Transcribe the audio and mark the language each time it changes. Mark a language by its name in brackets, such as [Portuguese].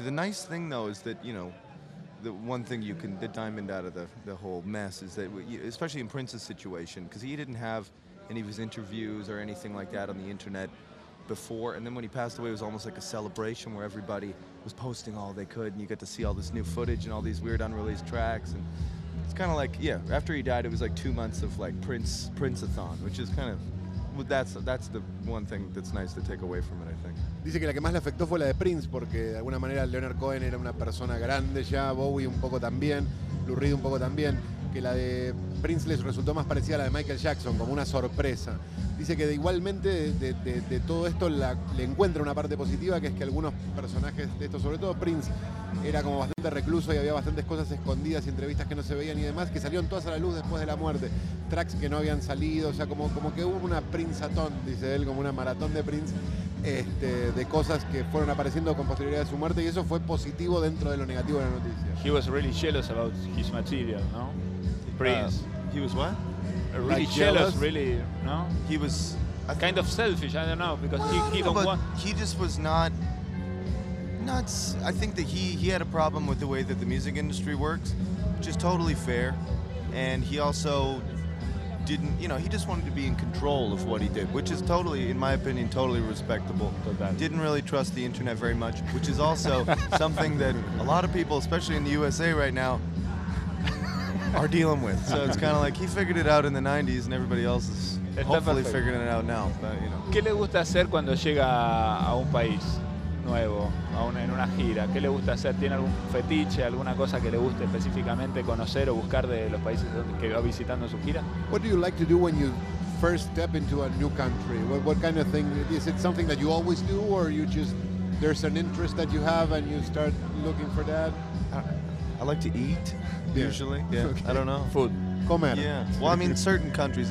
[English] The nice thing though is that, you know, the one thing you can, the diamond out of the whole mess is that, especially in Prince's situation, because he didn't have any of his interviews or anything like that on the internet before, and then when he passed away, it was almost like a celebration where everybody was posting all they could, and you got to see all this new footage and all these weird unreleased tracks, and it's kind of like, yeah, after he died, it was like 2 months of like Prince-a-thon, which is kind of, that's the one thing that's nice to take away from it, I think. [Spanish] Dice que la que más le afectó fue la de Prince, porque de alguna manera Leonard Cohen era una persona grande ya, Bowie un poco también, Lou Reed un poco también, que la de Prince les resultó más parecida a la de Michael Jackson, como una sorpresa. Dice que igualmente de todo esto le encuentra una parte positiva, que es que algunos personajes de esto, sobre todo Prince, era como bastante recluso y había bastantes cosas escondidas y entrevistas que no se veían y demás, que salieron todas a la luz después de la muerte. Tracks que no habían salido, o sea, como que hubo una Prince-atón, dice él, como una maratón de Prince, de cosas que fueron apareciendo con posterioridad a su muerte, y eso fue positivo dentro de lo negativo de la noticia. [English] He was really jealous about his material, no? Prince. He was what? Really like jealous, really, no? He was kind of selfish, I don't know, because he just was not, I think that he had a problem with the way that the music industry works, which is totally fair, and he also didn't, you know, he just wanted to be in control of what he did, which is totally, in my opinion, totally respectable. Totally. Didn't really trust the internet very much, which is also something that a lot of people, especially in the USA right now, are dealing with. So it's kind of like he figured it out in the 90s and everybody else is hopefully figuring it out now. But, you know. [Spanish] ¿Qué le gusta hacer cuando llega a un país nuevo, en una gira? ¿Qué le gusta hacer? ¿Tiene algún fetiche, alguna cosa que le guste específicamente conocer o buscar de los países que va visitando en su gira? [English] What do you like to do when you first step into a new country? What kind of thing? Is it something that you always do, or you just there's an interest that you have and you start looking for that? I like to eat. Usually, yeah. Okay. I don't know. Food. [Spanish] Comer. [English] Yeah. Well, I mean, certain countries.